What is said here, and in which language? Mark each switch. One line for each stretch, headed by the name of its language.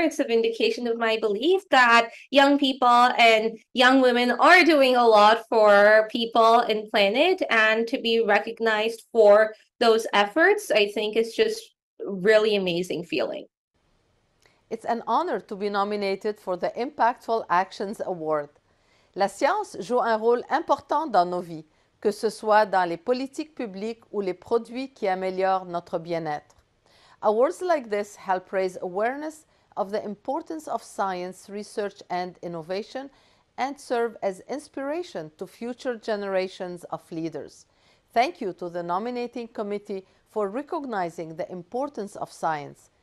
English: It's a vindication of my belief that young people and young women are doing a lot for people and planet, and to be recognized for those efforts, I think it's just really amazing feeling. It's an honor to be nominated for the Impactful Actions Award.
French: La science joue un rôle important dans nos vies, que ce soit dans les politiques publiques ou les produits qui améliorent notre bien-être.
English: Awards like this help raise awareness of the importance of science, research, and innovation, and serve as inspiration to future generations of leaders. Thank you to the nominating committee for recognizing the importance of science.